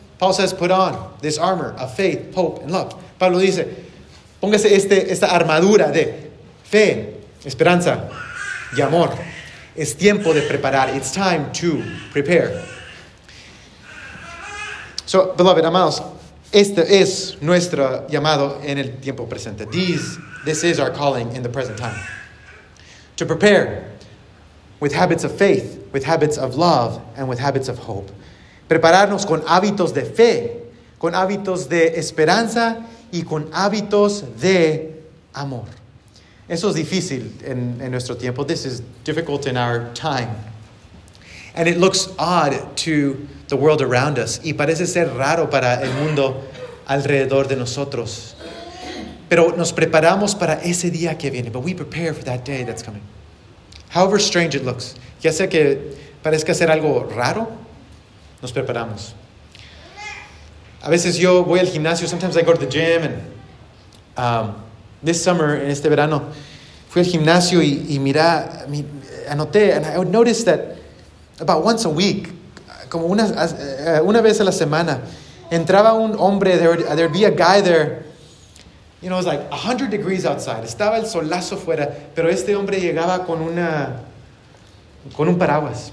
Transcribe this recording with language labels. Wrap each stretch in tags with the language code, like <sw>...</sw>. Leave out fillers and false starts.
<en>Paul says, put on this armor of faith, hope, and love.</en> <es>Pablo dice, póngase esta armadura de fe, esperanza y amor. Es tiempo de preparar.</es> <en>It's time to prepare. So, beloved,</en> <es>amados, este es nuestro llamado en el tiempo presente.</es> <en>This is our calling in the present time. To prepare with habits of faith, with habits of love, and with habits of hope.</en> <es>Prepararnos con hábitos de fe, con hábitos de esperanza, y con hábitos de amor. Eso es difícil en nuestro tiempo.</es> <en>This is difficult in our time. And it looks odd to the world around us.</en> <es>Y parece ser raro para el mundo alrededor de nosotros. Pero nos preparamos para ese día que viene.</es> <en>But we prepare for that day that's coming. However strange it looks.</en> <es>Ya sea que parezca ser algo raro, nos preparamos. A veces yo voy al gimnasio.</es> <en>Sometimes I go to the gym. This summer,</en> <es>en este verano, fui al gimnasio y anoté,</es> <en>and I would notice that about once a week,</en> <es>como una vez a la semana, entraba un hombre,</es> <en>there'd be a guy there, you know, it was like 100 degrees outside,</en> <es>estaba el solazo fuera, pero este hombre llegaba con un paraguas.</es>